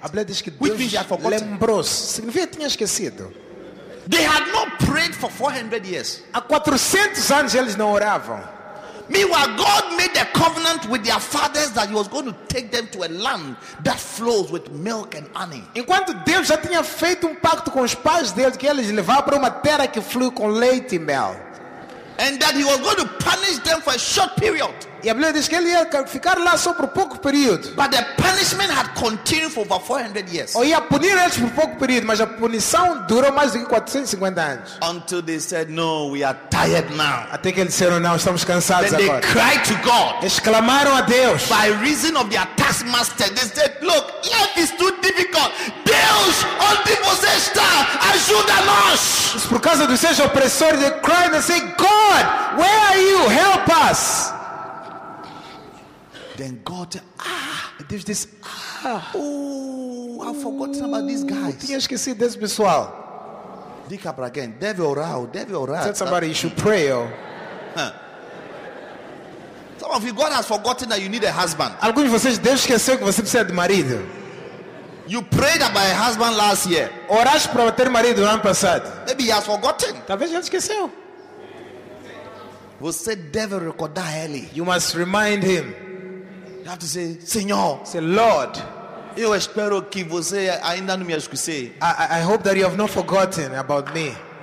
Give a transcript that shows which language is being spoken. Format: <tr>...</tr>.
<pt>A Bíblia diz que Deus lembrou-se. Significa que tinha esquecido.</pt> <en>They had not prayed for 400 years.</en> <pt>Há 400 anos eles não oravam.</pt> <en>Meanwhile, God made a covenant with their fathers that He was going to take them to a land that flows with milk and honey.</en> <pt>Enquanto Deus já tinha feito pacto com os pais deles que eles levavam para uma terra que flui com leite e mel.</pt> <en>And that He was going to punish them for a short period.</en> <pt>E a Bíblia diz que ele ia ficar lá só por pouco período.</pt> <en>But the punishment had continued for over 400 years.</en> <pt>Ou ia punir eles por pouco período, mas a punição durou mais do que 450 anos.</pt> <en>Until they said, no, we are tired now.</en> <pt>Até que eles disseram, não, estamos cansados</pt> <en>then</en> <pt>agora.</pt> <en>They cried to God.</en> <pt>Eles clamaram a Deus.</pt> <en>By reason of their taskmaster, they said, look, life is too difficult.</en> <pt>Deus, onde você está? Ajuda-nos. Por causa dos seus opressores,</pt> <en>they cried and said, God, where are you? Help us. Then God, there's this, oh, I've forgotten about these guys.</en> <pt>Tinha esquecido desse pessoal.</pt> <en>Dig up again. Devil rao. Tell somebody you should pray. Some of you, God has forgotten that you need a husband.</en> <pt>Alguns de vocês, Deus esqueceu que você precisa de marido.</pt> <en>You prayed about a husband last year.</en> <pt>Oraste para ter marido no ano passado.</pt> <en>Maybe he has forgotten.</en> <pt>Talvez ele esqueceu. Você deve recordar ele.</pt> <en>You must remind him. You have to say, Senhor, say, Lord.</en> <pt>Eu espero que você ainda não me esqueça.</pt> <en>I hope that you have not forgotten about me.</en>